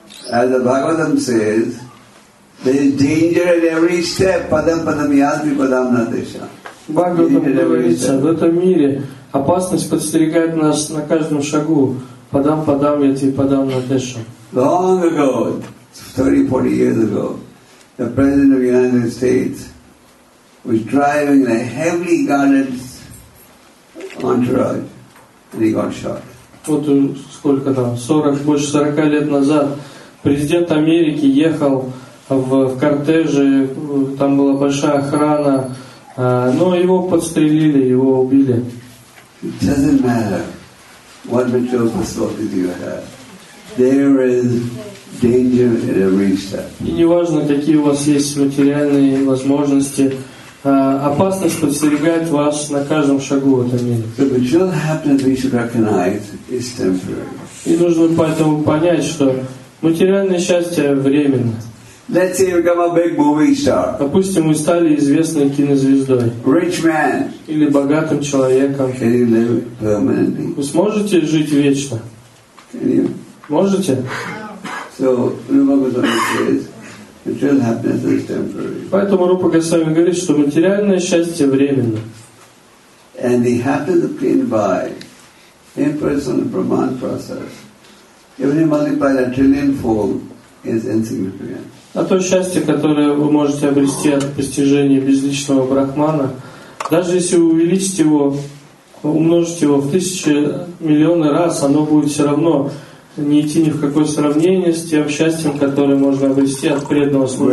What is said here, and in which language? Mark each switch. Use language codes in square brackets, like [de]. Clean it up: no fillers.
[en] As the Bhagavatam says, there is danger at every step. [sa] Padam padam yasmi padam natesha. [ru] Бхагаватам говорится, в этом мире опасность подстерегает нас на каждом шагу. [sa] Падам падам яти падам натеша. [en] Long ago, 30-40 years ago, the President of the United States was driving in a heavily guarded entourage and he got shot. [ru] Вот сколько там, 40, больше 40 лет назад президент Америки ехал в кортеже, там была большая охрана, но его подстрелили, его убили. [en] It doesn't matter what material resources you have. There is danger at every step. [ru] И неважно, какие у вас есть материальные возможности, опасность подстерегает вас на каждом шагу в этом мире. [en] The material happiness we should recognize is temporary. [ru] И нужно поэтому понять, что материальное счастье временно. [en] Let's say you become a big movie star. [ru] Допустим, вы стали известной кинозвездой. [en] Rich man. [ru] Или богатым человеком. [en] Can you live permanently? [ru] Вы сможете жить вечно? [en] Can you? [ru] Можете? [en] So, Rupa Goswami says, material happiness is temporary. [ru] Поэтому Рупа Госвами говорит, что материальное счастье временно. [en] And the happiness obtained by impersonal Brahman process, even if multiplied a trillionfold, is insignificant. [ru] А то счастье, которое вы можете обрести от постижения безличного Брахмана, даже если вы увеличите его, умножите его в тысячи, миллионы раз, оно будет все равно не идти ни в какое сравнение с тем счастьем, которое можно обрести от преданного